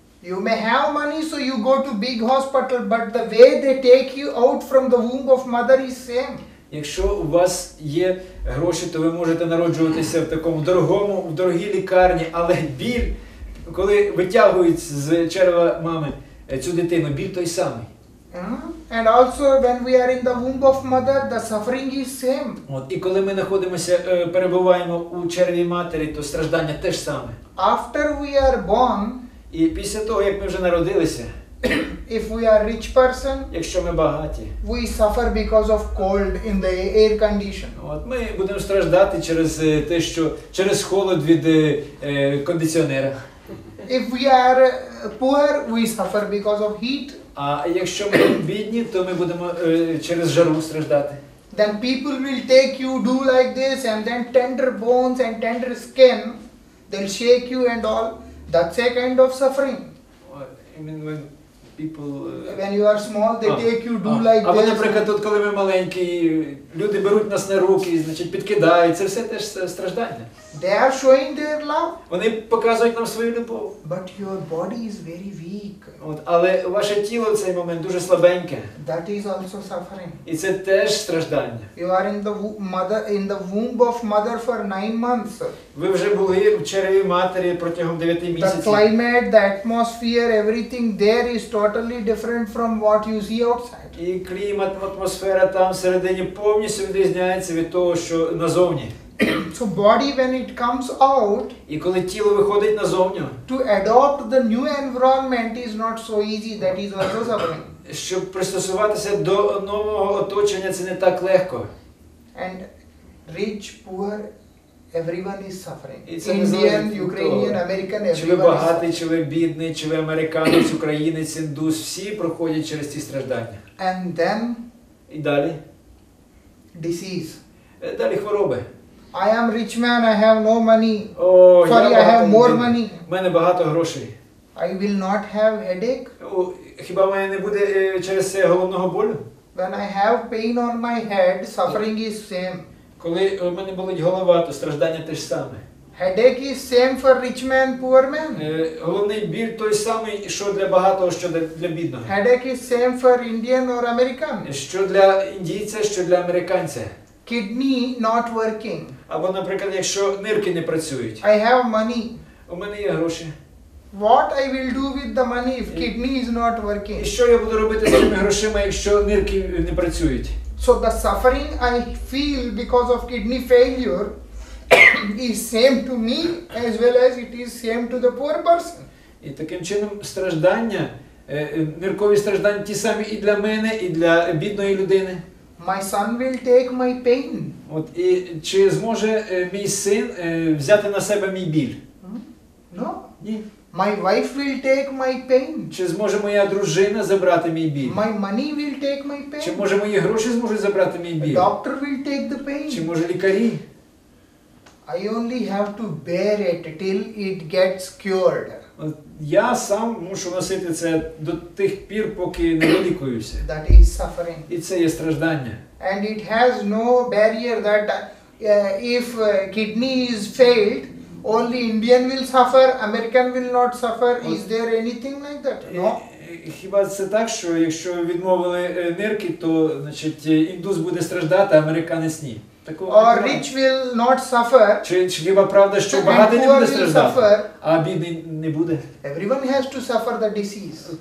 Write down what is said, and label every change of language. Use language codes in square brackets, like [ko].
[en] You may have money, so you go to big hospital, but the way they take you out from the womb of mother is same. [uk] Якщо у вас є гроші, то ви можете народжуватися в такому дорогому, в дорогій лікарні, але біль, коли витягують з черева мами, цю дитину, біль той самий. [en] And also when we are in the womb of mother, the suffering is same. [uk] От, і коли ми знаходимося, перебуваємо у череві матері, то страждання теж саме. [en] After we are born, [uk] і після того, як ми вже народилися, [en] if we are rich person, [uk] якщо ми багаті, [en] we suffer because of cold in the air condition. [uk] От, ми будемо страждати через те, що через холод від кондиціонера. [en] If we are poor, we suffer because of heat. [uk] А якщо ми бідні, то ми будемо через жару страждати. [en] Then people will take you, do like this, and then tender bones and tender skin, they'll shake you and all. That's a kind of suffering. I mean, when people... When you are small, they take you, do like this. [uk] Або, наприклад, тут, коли ми маленькі, люди беруть нас на руки, значить, підкидають. Це все теж страждання. [en] They are showing their love. [uk] Вони показують нам свою любов. [en] But your body is very weak. [uk] От, але ваше тіло в цей момент дуже слабеньке. [en] That is also suffering. [uk] І це теж страждання. [en] You are in the mother, in the womb of mother for 9 months. [uk] Ви вже були в чреві матері протягом 9 місяців. [en] The climate, the atmosphere, everything there is totally different from what you see outside. [uk] І клімат, атмосфера там всередині повністю відрізняється від того, що назовні. [en] So body when it comes out, [uk] і коли тіло виходить назовню, [en] to adopt the new environment is not so easy, that is also suffering. [uk] Щоб пристосуватися до нового оточення, це не так легко. [en] And rich, poor, everyone is suffering. Indian, Ukrainian, American, everyone. [uk] Чи ви багатий, чи ви бідний, чи ви американець, українець, індус, всі проходять через ці страждання. [en] And then, [uk] і далі, [en] disease. [uk] Далі хвороби. [en] I am rich man, I have no money. Oh, sorry, I have more money. [uk] У мене багато грошей. [en] I will not have headache. [uk] Хіба в мене не буде через це головного болю? [en] When I have pain on my head, suffering is same. [uk] Коли у мене болить голова, то страждання теж саме. [en] Headache is same for rich man, poor man. [uk] Головний біль той самий, що для багатого, що для бідного. [en] Headache is same for Indian or American. [uk] Що для індійця, що для американця. [en] Kidney not working. [uk] Або, наприклад, якщо нирки не працюють. [en] I have money. [uk] У мене є гроші. [en] What I will do with the money if kidney is not working? [uk] І що я буду робити з цими грошима, якщо нирки не працюють? [en] So the suffering I feel because of kidney failure is same to me as well as it is same to the poor person. [uk] І таким чином страждання, ниркові страждання ті самі і для мене, і для бідної людини. [en] My son will take my pain. [uk] От і чи зможе мій син взяти на себе мій біль? [en] No. [uk] Ні. [en] My wife will take my pain. [uk] Чи зможе моя дружина забрати мій біль? [en] My money will take my pain. [uk] Чи може мої гроші зможуть забрати мій біль? [en] Doctor will take the pain. [uk] Чи може лікарі? [en] I only have to bear it till it gets cured. [uk] От, я сам мушу носити це до тих пір, поки не вилікуюся. [en] That is suffering. [uk] І це є страждання. [en] And it has no barrier that if kidney is failed, only Indian will suffer, American will not suffer. От, is there anything like that? No. [uk] Хіба це так, що якщо відмовили нирки, то значить індус буде страждати, а американець ні? [en] Or rich will not suffer. [uk] Чи хіба правда, що багатий не буде страждати, а бідний не буде? [en] Everyone has to suffer the disease.